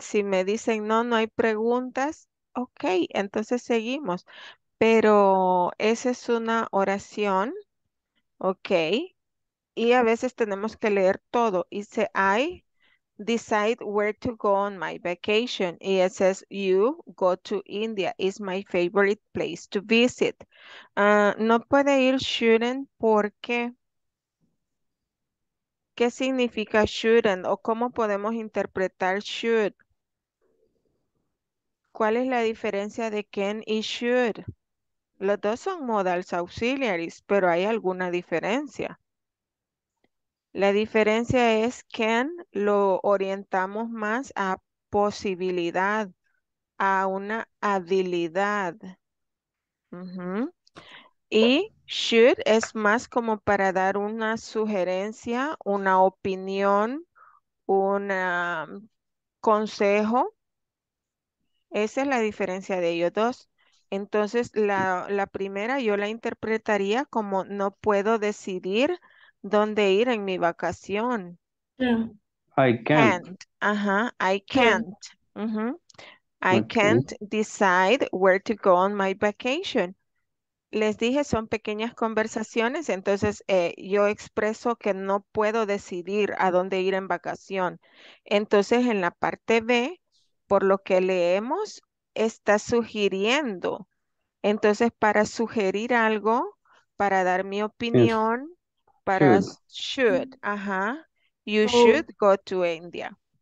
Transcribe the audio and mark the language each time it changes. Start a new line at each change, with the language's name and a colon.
Spanish: Si me dicen no, no hay preguntas, ok, entonces seguimos. Pero esa es una oración, ok, y a veces tenemos que leer todo. Y dice,
English: I decide where to go on my vacation. Y it says, you go to India. It's my favorite place to visit.
Spanish: No puede ir shouldn't porque, ¿qué significa shouldn't? ¿O cómo podemos interpretar should? ¿Cuál es la diferencia de can y should? Los dos son modals auxiliaries, pero hay alguna diferencia. La diferencia es que lo orientamos más a posibilidad, a una habilidad. Uh-huh. Y should es más como para dar una sugerencia, una opinión, un consejo. Esa es la diferencia de ellos dos. Entonces, la primera yo la interpretaría como no puedo decidir dónde ir en mi vacación.
English: I can't. Ajá, uh-huh. I can't. Uh-huh. I can't decide where to go on my vacation.
Spanish: Les dije, son pequeñas conversaciones, entonces yo expreso que no puedo decidir a dónde ir en vacación. Entonces, en la parte B, por lo que leemos, está sugiriendo. Entonces, para sugerir algo, para dar mi opinión, yes, para should, ajá, uh-huh,
English: you should go to India.